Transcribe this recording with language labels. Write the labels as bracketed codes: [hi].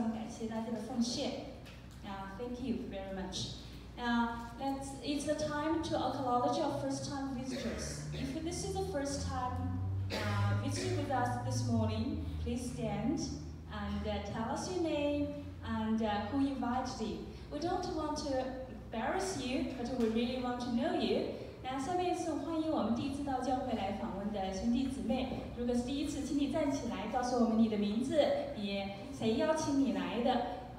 [zh] 最后一件事就是奉献箱，奉献箱安装在我们教会的教会大堂的两侧和中间的门的上面，请大家把自己的奉献投递到盒子里面去。我们非常感谢大家的奉献。 [en] Thank you very much. It's the time to acknowledge our first-time visitors. If this is the first time visiting with us this morning, please stand and tell us your name and who invited you. We don't want to embarrass you, but we really want to know you. [zh] 那下面是欢迎我们第一次到教会来访问的兄弟姊妹。如果是第一次，请你站起来，告诉我们你的名字，也谁邀请你来的。